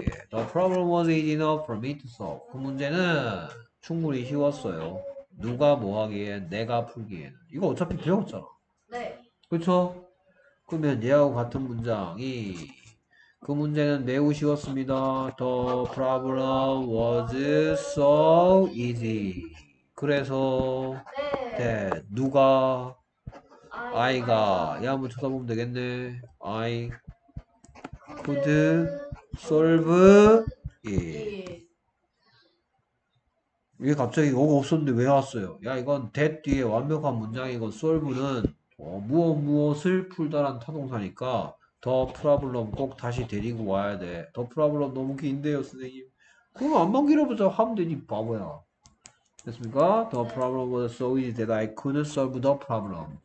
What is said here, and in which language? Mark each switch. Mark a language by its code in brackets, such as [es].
[en] The problem was easy enough for me to solve. [ko] 그 문제는 충분히 쉬웠어요. 누가 뭐 하기에 내가 풀기에는. 이거 어차피 배웠잖아. 그렇죠? 그러면 얘하고 같은 문장이 그 문제는 매우 쉬웠습니다. [en] The problem was so easy. [ko] 그래서 네, 누가 아이가, 얘 한번 쳐다보면 되겠네. [en] I could solve it. [ko] 이게 갑자기 어가 없었는데 왜 왔어요? 야, 이건 that 뒤에 완벽한 문장이고, solve는, 무엇을 풀다란 타동사니까, the problem 꼭 다시 데리고 와야 돼. The problem 너무 긴데요, 선생님. 그럼 안만 길어보자 하면 되니, 바보야. 됐습니까? [en] The problem was so easy that I couldn't solve the problem.